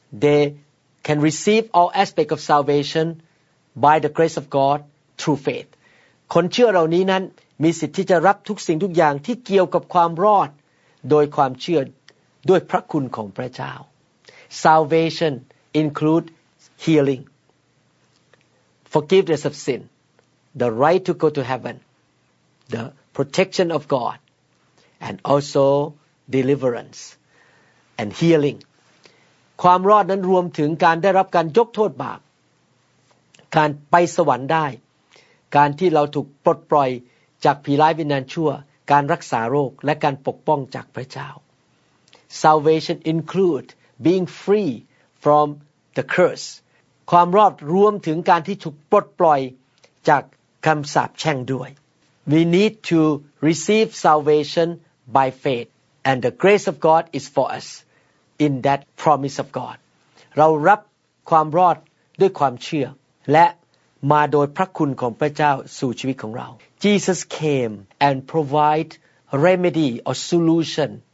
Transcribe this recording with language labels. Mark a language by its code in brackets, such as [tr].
[en] They can receive all aspect of salvation by the grace of God through faith. [th] คนเชื่อเหล่านี้นั้นมีสิทธิ์ที่จะรับทุกสิ่งทุกอย่างที่เกี่ยวกับความรอดโดยความเชื่อด้วยพระคุณของพระเจ้า [en] Salvation includes healing, forgiveness of sin, the right to go to heaven, the protection of God, and also deliverance and healing. [th] ความรอดนั้นรวมถึงการได้รับการยกโทษบาปการไปสวรรค์ได้การที่เราถูกปลดปล่อยจากผีร้ายวิญญาณชั่วการรักษาโรคและการปกป้องจากพระเจ้า [en] Salvation includesbeing free from the curse. [th] ความรอดรวมถึงการที่ถูกปลดปล่อยจากคำสาปแช่งด้วย [en] We need to receive salvation by faith and the grace of God is for us in that promise of God [th] เรารับความรอดด้วยความเชื่อและมาโดยพระคุณของพระเจ้าสู่ชีวิตของเรา [en] Jesus came and provide remedy or solution